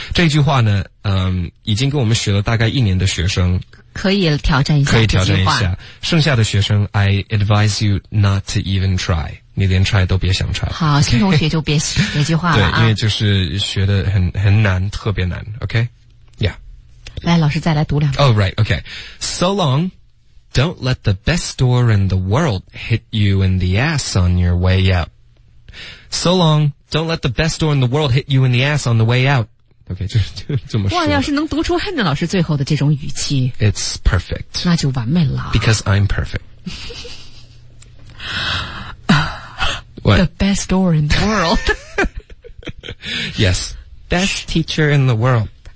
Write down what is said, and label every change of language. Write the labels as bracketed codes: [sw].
[zh] 这句话呢，已经跟我们学了大概一年的学生可以挑战一下，可以挑战一下。剩下的学生 ， [en] I advise you not to even try， [zh] 你连 try 都别想 try。好，新同学就别写这句话了、啊。对，因为就是学的很难，特别难。 [en] OK， yeah， [zh] 来，老师再来读两 [en] 遍。Oh right， OK， so long。 Don't let the best door in the world hit you in the ass on your way out. So long, don't let the best door in the world hit you in the ass on the way out. [zh] Okay, 就这么说。哇，要是能读出汉正老师最后的这种语气。 [en] It's perfect. [zh] 那就完美了。 [en] Because I'm perfect. What? The best door in the world. Yes, best teacher in the world.